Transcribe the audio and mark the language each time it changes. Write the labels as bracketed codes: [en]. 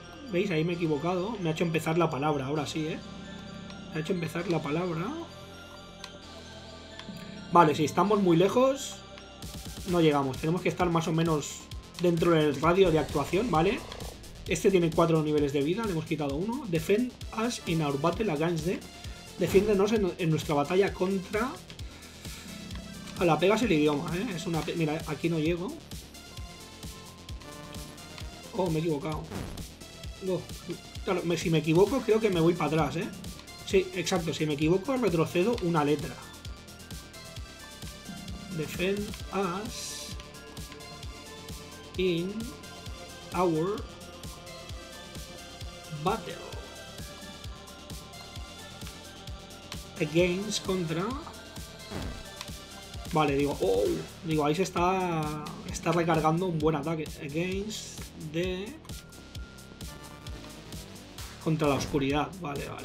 [es] ¿Veis? Ahí me he equivocado. Me ha hecho empezar la palabra, ahora sí, ¿eh? Me ha hecho empezar la palabra. Vale, si estamos muy lejos... no llegamos. Tenemos que estar más o menos dentro del radio de actuación, ¿vale? Este tiene 4 niveles de vida. Le hemos quitado uno. [en] Defend us in our battle against them. [es] Defiéndenos en nuestra batalla contra... A la pega es el idioma, ¿eh? Es una... Mira, aquí no llego. Oh, me he equivocado. Claro, si me equivoco, creo que me voy para atrás, ¿eh? Sí, exacto. Si me equivoco, retrocedo una letra. [en] Defend us in our battle against contra. [es] Vale, digo, oh, digo, ahí se está recargando un buen ataque. [en] Against the [es] contra la oscuridad. Vale.